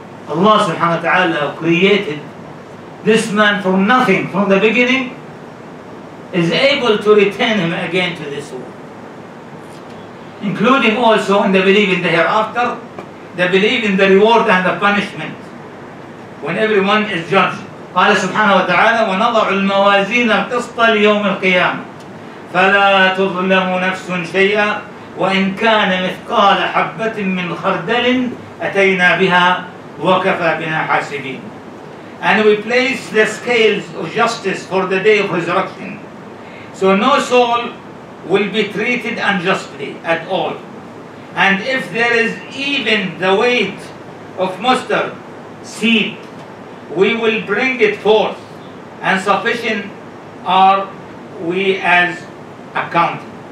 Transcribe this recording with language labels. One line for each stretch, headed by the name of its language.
English: Allah subhanahu wa ta'ala created this man from nothing from the beginning, is able to return him again to this world, including also in the belief in the hereafter, the belief in the reward and the punishment when everyone is judged.
Arabic: قال سبحانه وتعالى ونضع الموازين القسط ليوم القيامة فلا تظلم نفس شيئا وإن كان مثقال حبة من خردل أتينا بها وكفى بنا حاسبين.
English: And we place the scales of justice for the day of resurrection, so no soul will be treated unjustly at all. And if there is even the weight of mustard seed, we will bring it forth, and sufficient are we as accounted.